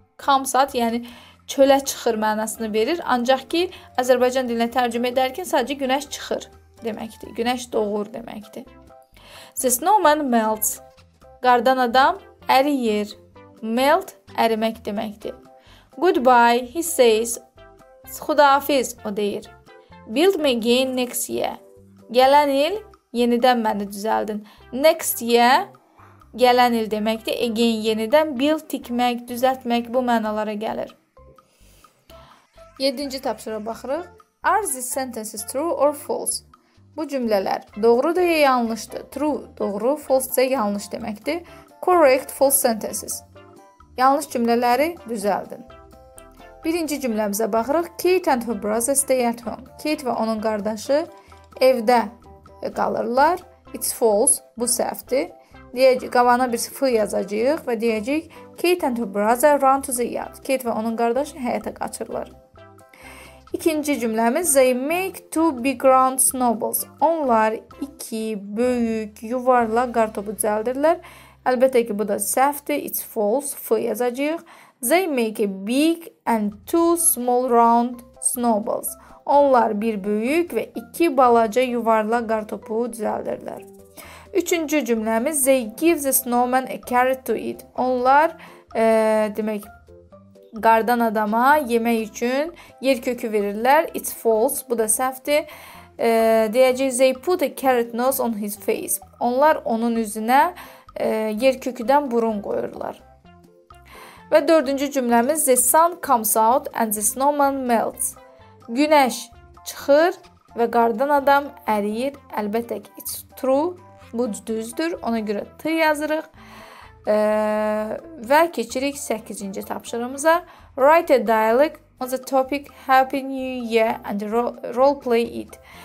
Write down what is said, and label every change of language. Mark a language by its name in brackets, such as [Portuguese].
[Azerbaijani] Comes out, yəni çölə çıxır mənasını verir. Ancaq ki, Azərbaycan dilinə tərcümə edərkən sadəcə günəş çıxır deməkdir. Günəş doğur deməkdir. [English] The snowman melts. [Azerbaijani] Qardan adam əriyir. Melt, ərimək deməkdir. [English] Goodbye, he says. [Azerbaijani] Xudafiz, o deyir. [English] build me again next year. [Azerbaijani] Gələn il yenidən məni düzəldin. [English] Next year [Azerbaijani] gələn il deməkdir. Again yenidən, build tikmək, düzəltmək bu mənalara gəlir. 7-ci tapşırığa baxırıq. [English] Are these sentences true or false? [Azerbaijani] Bu cümlələr doğrudur ya yanlışdır? True doğru, false isə yanlış deməkdir. [English] Correct false sentences. [Azerbaijani] Yanlış cümlələri düzəldin. 1-ci cümləmizə baxırıq. [English] Kate and her brother stay at home. [Azerbaijani] Kate və onun qardaşı evdə qalırlar. [English] It's false. [Azerbaijani] Bu səhvdir. Deyəcəyik, qavana bir f yazacağıq və deyəcəyik [English] Kate and her brother run to the yard. [Azerbaijani] Kate və onun qardaşı həyətə qaçırlar. 2-ci cümləmiz [English] They make two big round snowballs. [Azerbaijani] Onlar 2 böyük yuvarla qartopu düzəldirlər. Əlbəttə ki, bu da səhvdir. [English] It's false. [Azerbaijani] F yazacağıq. [English] They make a big and two small round snowballs. [Azerbaijani] Onlar bir böyük və 2 balaca yuvarla qartopu düzəldirlər. 3-cü cümləmiz [English] They give the snowman a carrot to eat. [Azerbaijani] Onlar demək qardan adama yemək üçün yer kökü verirlər. [English] It's false. [Azerbaijani] Bu da səhvdir. Deyəcəyik [English] They put a carrot nose on his face. [Azerbaijani] Onlar onun üzünə yer köküdən burun qoyurlar. Və 4-cü cümləmiz [English] The sun comes out and the snowman melts. [Azerbaijani] Günəş çıxır və qardan adam əriyir. Əlbəttə ki, [English] it's true. [Azerbaijani] Bu düzdür. Ona görə T yazırıq. Və keçirik 8-ci tapşırığımıza. [English] Write a dialogue on the topic Happy New Year and role play it.